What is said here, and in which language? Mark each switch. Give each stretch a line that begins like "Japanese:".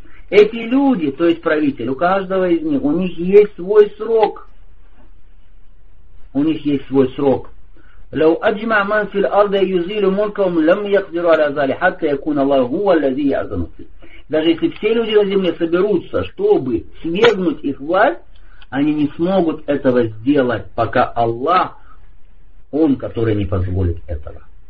Russian: Эти люди, то есть правитель, у каждого из них, у них есть свой срок. У них есть свой срок.
Arabic: لو أجمع من في الأرض يزيل ملكهم لم يقدر على ذلك حتى يكون الله هو الذي يأذن فيه.
Russian: Даже если все люди на земле соберутся, чтобы свергнуть их власть, они не смогут этого сделать, пока Аллах, Он, который не позволит этого.